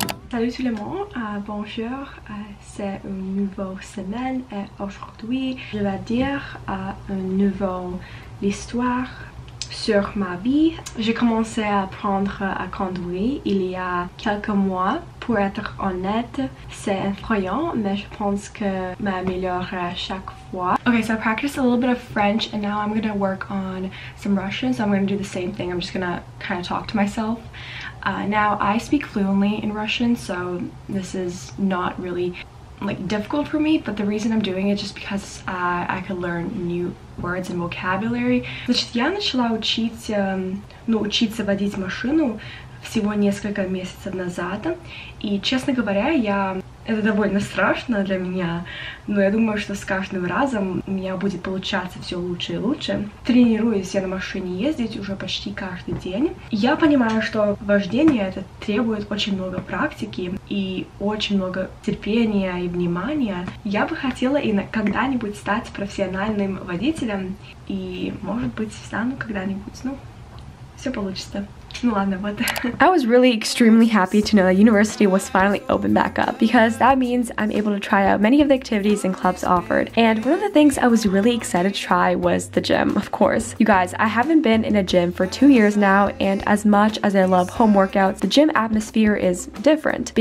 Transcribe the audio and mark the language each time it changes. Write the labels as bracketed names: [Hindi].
[French] Salut tout le monde, bonjour, c'est une nouvelle semaine et aujourd'hui je vais dire une nouvelle histoire sur ma vie. J'ai commencé à apprendre à conduire il y a quelques mois. Pour être honnête, c'est effrayant, mais je pense que je m'améliore à chaque fois. [English] Okay, so I practiced a little bit of French and now I'm gonna work on some Russian, so I'm gonna do the same thing. I'm just gonna kind of talk to myself. Now, I speak fluently in Russian, so this is not really like difficult for me, but the reason I'm doing it is just because I could learn new words and vocabulary. [Russian] Значит, я начала учиться, ну, учиться водить машину всего несколько месяцев назад, и, честно говоря, я это довольно страшно для меня, но я думаю, что с каждым разом у меня будет получаться все лучше и лучше. Тренируюсь я на машине ездить уже почти каждый день. Я понимаю, что вождение это требует очень много практики и очень много терпения и внимания. Я бы хотела и когда-нибудь стать профессиональным водителем, и, может быть, стану когда-нибудь, ну, все получится. [English] I was really extremely happy to know that university was finally open back up because that means I'm able to try out many of the activities and clubs offered. And one of the things I was really excited to try was the gym, of course. You guys, I haven't been in a gym for 2 years now, and as much as I love home workouts, the gym atmosphere is different.